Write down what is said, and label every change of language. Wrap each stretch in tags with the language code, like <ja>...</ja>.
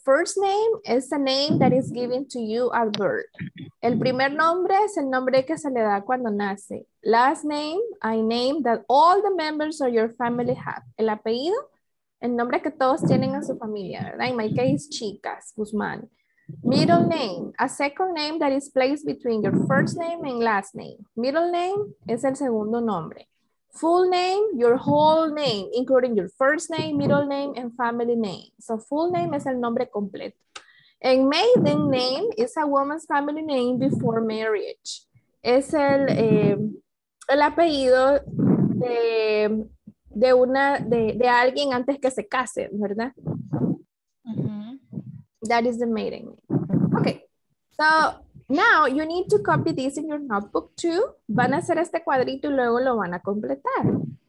<en>First name is the name that is given to you at birth.</en> <es>El primer nombre es el nombre que se le da cuando nace.</es> <en>Last name, a name that all the members of your family have.</en> <es>El apellido. El nombre que todos tienen en su familia, ¿verdad?</es> <en>In my case, chicas, Guzmán. Middle name, a second name that is placed between your first name and last name. Middle name</en> <es>es el segundo nombre.</es> <en>Full name, your whole name, including your first name, middle name, and family name. So full name</en> <es>es el nombre completo.</es> <en>And maiden name is a woman's family name before marriage.</en> <es>Es el apellido de... De una, de alguien antes que se case, ¿verdad?</es> <en>Uh-huh. That is the maiden name. Okay. So, now you need to copy this in your notebook too.</en> <es>Van a hacer este cuadrito y luego lo van a completar.</es>